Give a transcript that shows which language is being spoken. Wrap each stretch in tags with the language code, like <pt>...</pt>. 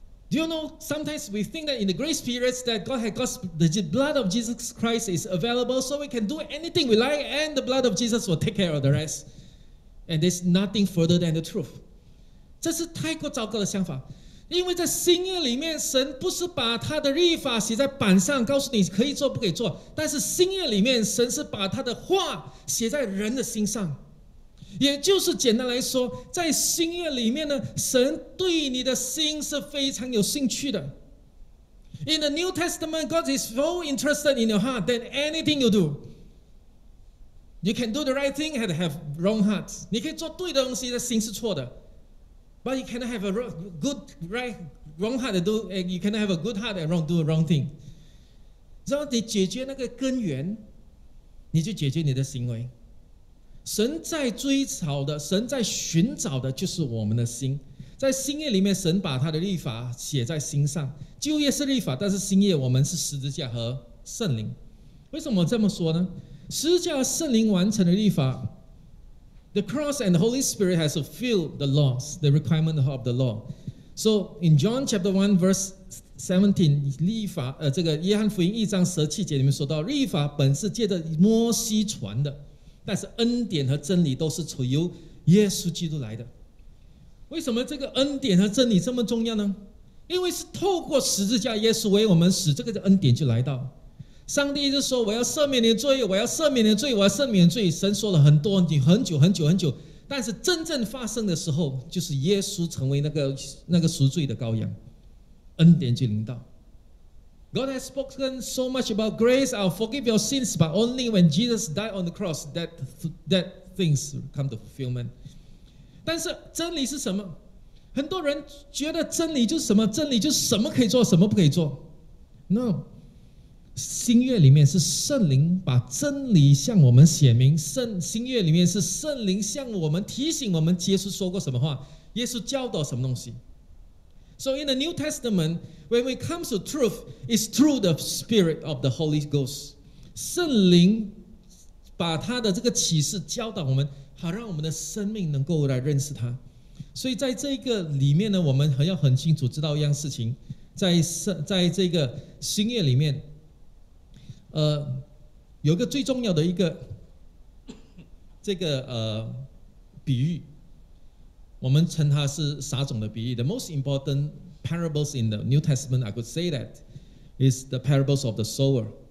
<en>Do you know, sometimes we think that in the grace periods that God had got the blood of Jesus Christ is available so we can do anything we like and the blood of Jesus will take care of the rest. And there's nothing further than the truth.</en> <zh>这是太过糟糕的想法。因为在新约里面，神不是把他的律法写在板上告诉你可以做不可以做，但是新约里面神是把他的话写在人的心上。也就是简单来说，在新约里面呢，神对你的心是非常有兴趣的。</zh> <en>In the New Testament, God is more interested in your heart than anything you do. You can do the right thing and have wrong hearts.</en> <zh>你可以做对的东西，但心是错的。</zh> <en>But you cannot have a good, right, wrong heart to do, and you cannot have a good heart and wrong, do a wrong thing.</en> <zh>So, 你解决那个根源，你就解决你的行为。神在追讨的，神在寻找的，就是我们的心。在新约里面，神把他的律法写在心上。旧约是律法，但是新约我们是十字架和圣灵。为什么这么说呢？十字架和圣灵完成的律法。</zh> <en>The cross and the Holy Spirit has fulfilled the laws, the requirement of the law. So in John chapter 1 verse 17,</en> <zh>律法这个约翰福音一章十七节里面说到，律法本是借着摩西传的，但是恩典和真理都是由耶稣基督来的。为什么这个恩典和真理这么重要呢？因为是透过十字架，耶稣为我们死，这个恩典就来到。上帝一直说我要赦免你的罪，我要赦免你的罪，我要赦免你的罪。神说了很多，你很久很久很久，但是真正发生的时候，就是耶稣成为那个赎罪的羔羊，恩典就临到。</zh> <en>God has spoken so much about grace, I'll forgive your sins, but only when Jesus died on the cross that things come to fulfillment.</en> <zh>但是真理是什么？很多人觉得真理就是什么？真理就是什么可以做，什么不可以做 ？No。新约里面是圣灵把真理向我们显明，新约里面是圣灵向我们提醒我们耶稣说过什么话，耶稣教导什么东西。</zh> <en>So in the New Testament, when we come to truth, it's through the Spirit of the Holy Ghost.</en> <zh>圣灵把他的这个启示教导我们，好让我们的生命能够来认识他。所以在这个里面呢，我们还要很清楚知道一样事情，在这个新约里面有一个最重要的一个这个比喻，我们称它是撒种的比喻。</zh> <en>The most important parables in the New Testament, I could say that, is the parables of the sower.</en>